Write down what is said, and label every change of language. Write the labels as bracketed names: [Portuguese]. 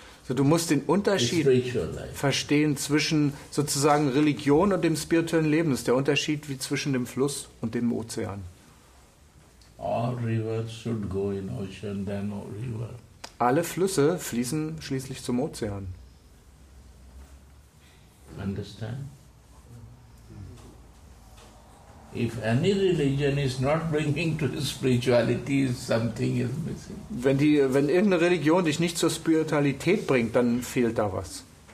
[German] So, du musst den Unterschied verstehen zwischen sozusagen Religion und dem spirituellen Leben. Das ist der Unterschied wie zwischen dem Fluss und dem Ozean. [English] All rivers should go in ocean, then river. [German] Alle Flüsse fließen schließlich zum Ozean. [English] A understand? If any religion is not bringing to the spirituality, something is missing. [German] Wenn irgendeine Religion dich nicht zur Spiritualität bringt, dann fehlt da was.